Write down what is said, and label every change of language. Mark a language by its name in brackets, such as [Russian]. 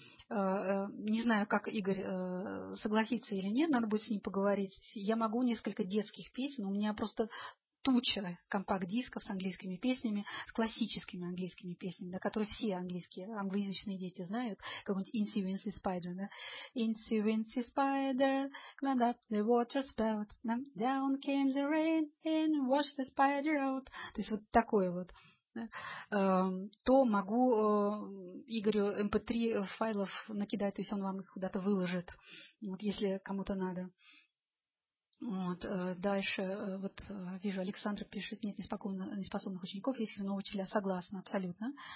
[Russian] Не знаю, как Игорь согласится или нет, надо будет с ним поговорить. Я могу несколько детских песен, у меня просто туча компакт-дисков с английскими песнями, с классическими английскими песнями, да, которые все английские, англоязычные дети знают, какой-нибудь Incy Wincy Spider, да. [English] Incy Wincy Spider climbed up the water spout, down came the rain and washed the spider out. [Russian] То есть вот такое вот. То могу Игорю MP3 файлов накидать, то есть он вам их куда-то выложит, вот, если кому-то надо. Вот, дальше, вот вижу, Александр пишет, нет неспособных учеников, есть ли новые учителя, согласна, абсолютно.